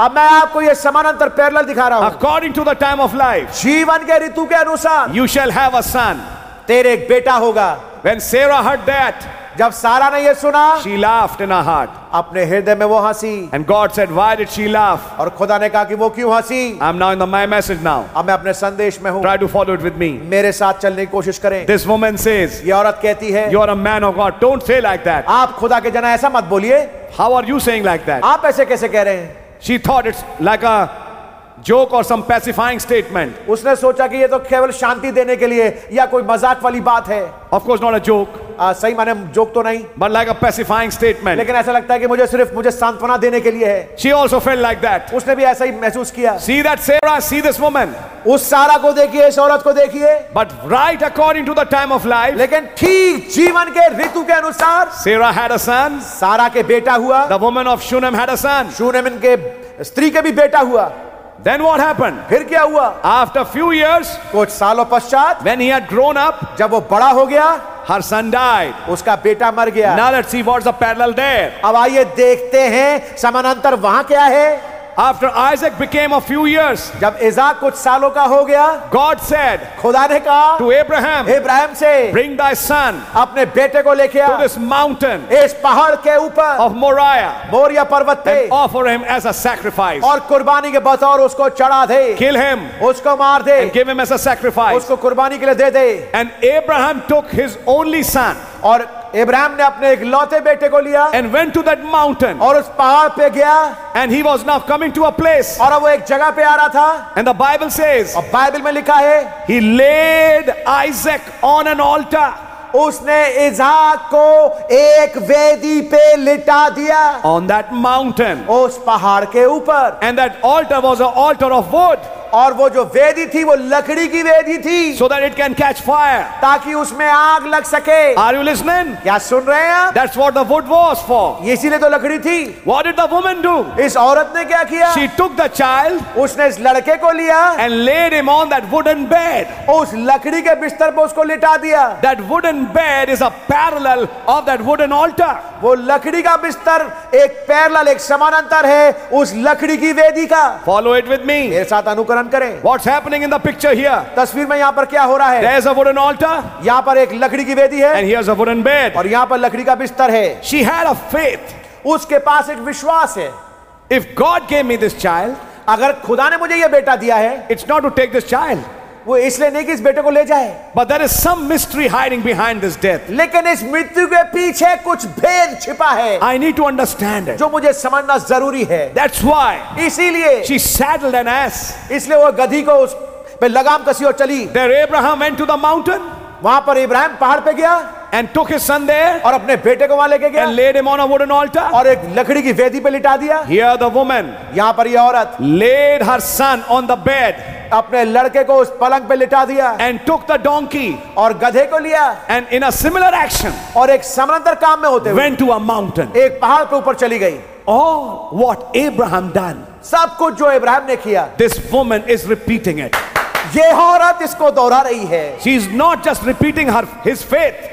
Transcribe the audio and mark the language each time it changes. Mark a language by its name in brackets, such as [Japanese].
[Hindi] अब मैं आपको ये समानांतर पैरेलल दिखा रहा हूँ. [English] According to the time of life. [Hindi] जीवन के ऋतु के अनुसार. [English] You shall have a son. [Hindi] तेरे एक बेटा होगा. [English] When Sarah heard that. [Hindi] जब सारा ने ये सुना. [English] She laughed in her heart. [Hindi] अपने हृदय में वो हंसी. [English] And God said, why did she laugh? [Hindi] और खुदा ने कहा कि वो क्यों हंसी? [English] I'm now in my message now. [Hindi] अब मैं अपने संदेश में हूँ. [English] Try to follow it with me. [Hindi] मेरे साथ चलने की कोशिश करें. [English] This woman says. [Hindi] ये औरत कहती है. [English] You are a man of God. Don't say like that. [Hindi] आप खुदा के जना ऐसा मत बोलिए. [English] How are you saying like that? [Hindi] आप ऐसे कैसे कह रहे हैं? [English] She thought it's like a joke or some pacifying statement. [Hindi] उसने सोचा कि ये तो केवल शांति देने के लिए या कोई मजाक वाली बात है. [English] Of course, not a joke. [Hindi] सही माने जोक तो नहीं. [English] But like a pacifying statement. [Hindi] लेकिन ऐसा लगता है कि मुझे सांत्वना देने के लिए है. [English] She also felt like that. [Hindi] उसने भी ऐसा ही महसूस किया. [English] See that Sarah, see this woman. [Hindi] उस सारा को देखिए, इस औरत को देखिए. [English] But right according to the time of life. [Hindi] लेकिन ठीक जीवन के ऋतु के अनुसार. [English] Sarah had a son. [Hindi] सारा के बेटा हुआ. [English] The woman of Shunem had a son. [Hindi] शूनेमिन के स्त्री के भी बेटा हुआ. [English] Then what happened? [Hindi] फिर क्या हुआ? [English] After few years, [Hindi] कुछ सालों पश्चात, [English] when he had grown up, [Hindi] जब वो बड़ा हो गया, [English] her son died, [Hindi] उसका बेटा मर गया. [English] Now let's see what's the parallel there. [Hindi] अब आइए देखते हैं समानांतर वहाँ क्या है? [English] After Isaac became a few years, [Hindi] जब इज़ाक कुछ सालों का हो गया, [English] God said, [Hindi] खुदा ने कहा, [English] to Abraham, [Hindi] इब्राहिम से, [English] bring thy son, [Hindi] अपने बेटे को लेके आ, [English] to this mountain, [Hindi] इस पहाड़ के ऊपर, [English] of Moriah, [Hindi] मोरिया पर्वत पे, [English] and offer him as a sacrifice, [Hindi] और कुर्बानी के बतौर उसको चढ़ा दे, [English] kill him, [Hindi] उसको मार दे, [English] and give him as a sacrifice, [Hindi] उसको कुर्बानी के लिए दे दे, [English] and Abraham took his only son, [Hindi] और इब्राहिम ने अपने एक लौते बेटे को लिया, [English] and went to that mountain, [Hindi] और उस पहाड़ पे गया, [English] and he was now coming to a place, [Hindi] और वो एक जगह पे आ रहा था, [English] and the Bible says, [Hindi] और बाइबल में लिखा है, [English] he laid Isaac on an altar, [Hindi] उसने इज़ाक को एक वेदी पे लिटा दिया, [English] on that mountain, [Hindi] उस पहाड़ के ऊपर, [English] and that altar was an altar of wood. [Hindi] और वो जो वेदी थी वो लकड़ी की वेदी थी. [English] So that it can catch fire. [Hindi] ताकि उसमें आग लग सके. [English] Are you listening? [Hindi] क्या सुन रहे हैं? [English] That's what the wood was for. [Hindi] इसीलिए तो लकड़ी थी. [English] What did the woman do? [Hindi] इस औरत ने क्या किया? [English] She took the child. [Hindi] उसने इस लड़के को लिया. [English] And laid him on that wooden bed. [Hindi] उस लकड़ी के बिस्तर पर उसको लिटा दिया. [English] That wooden bed is a parallel of that wooden altar. [Hindi] वो लकड़ी का बिस्तर एक पैरेलल एक समानांतर है उस लकड़ी की वेदी का. [English] Follow it with me. [Hindi] मेरे साथ अनुकरण करें. [English] What's happening in the picture here? [Hindi] तस्वीर में यहाँ पर क्या हो रहा है? [English] There's a wooden altar. [Hindi] यहाँ पर एक लकड़ी की वेदी है. [English] And here's a wooden bed. [Hindi] और यहाँ पर लकड़ी का बिस्तर है. [English] She had a faith. [Hindi] उसके पास एक विश्वास है. [English] If God gave me this child, [Hindi] अगर खुदा ने मुझे ये बेटा दिया है, [English] it's not to take this child. [Hindi] वो इसलिए नहीं कि इस बेटे को ले जाए. [English] But there is some mystery hiding behind this death. [Hindi] लेकिन इस मृत्यु के पीछे कुछ भेद छिपा है. [English] I need to understand it. [Hindi] जो मुझे समझना जरूरी है. [English] That's why. [Hindi] इसीलिए. [English] She saddled an ass. [Hindi] इसलिए वो गधी को उस पे लगाम कसी और चली. [English] There Abraham went to the mountain. [Hindi] वहाँ पर इब्राहिम पहाड़ पे गया. [English] And took his son there. [Hindi] और अपने बेटे को वहाँ लेके गया. [English] And laid him on a wooden altar. [Hindi] और एक लकड़ी की वेदी पे लिटा दिया. [English] Here the woman. [Hindi] यहाँ पर ये औरत. [English] Laid her son on the bed. [Hindi] अपने लड़के को उस पलंग पे लिटा दिया. [English] And took the donkey. [Hindi] और गधे को लिया. [English] And in a similar action. [Hindi] और एक समानांतर काम में होते हुए. [English] Went to a mountain. [Hindi] एक पहाड़ पे ऊपर चली गई. [English] All what Abraham done. [Hindi] सब कुछ जो इब्राहिम ने किया. [English] This woman is repeating it. [Hindi] यह औरत इसको दोहरा रही है. [English] She is not just repeating her his faith.